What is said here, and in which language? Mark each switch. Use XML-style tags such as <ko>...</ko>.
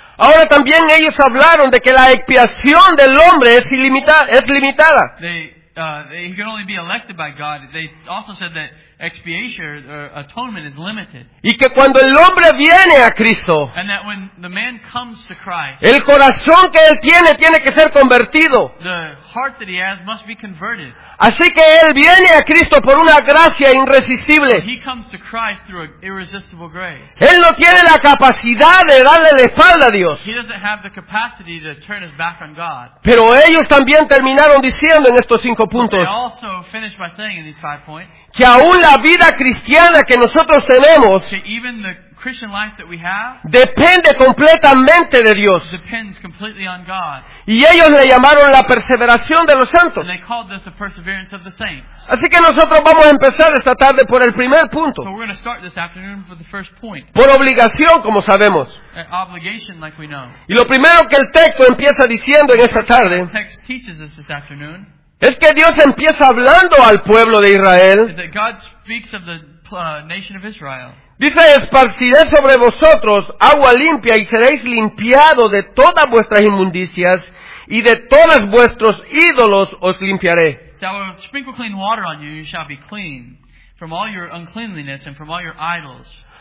<es>Ahora también ellos hablaron de que la expiación del hombre es limitada.</es> <en>He can only be elected by God. They also said that expiation or atonement is limited.</en> <es>Y que cuando el hombre viene a Cristo,</es> <en>and that when the man comes to Christ,</en> <es>el corazón que él tiene que ser convertido.</es> <en>The heart that he has must be converted.</en> <es>Así que él viene a Cristo por una gracia irresistible.</es> <en>He comes to Christ through an irresistible grace.</en> <es>Él no tiene la capacidad de darle la espalda a Dios.</es> <en>He doesn't have the capacity to turn his back on God.</en> <es>Pero ellos también terminaron diciendo en estos cinco puntos,</es> <en>they also finished by saying in these five points,</en> <es>que aún la vida cristiana que nosotros tenemos,</es> <en>so even the Christian life that we have,</en> <es>depende completamente de Dios.</es> <en>Depends completely on God.</en> <es>Y ellos le llamaron la perseveración de los santos.</es> <en>And they called this the perseverance of the saints.</en> <es>Así que nosotros vamos a empezar esta tarde por el primer punto.</es> <en>So we're going to start this afternoon for the first point.</en> <es>Por obligación, como sabemos.</es> <en>An obligation, like we know.</en> <es>Y lo primero que el texto empieza diciendo en esta tarde,</es> <en>the text teaches us this afternoon,</en> <es>es que Dios empieza hablando al pueblo de Israel.</es> <en>That God speaks of the nation of Israel.</en> <es>Dice, esparciré sobre vosotros agua limpia y seréis limpiados de todas vuestras inmundicias y de todos vuestros ídolos os limpiaré.</es> <en>So I will sprinkle clean water on you, you shall be clean from all your uncleanliness and from all your idols.</en>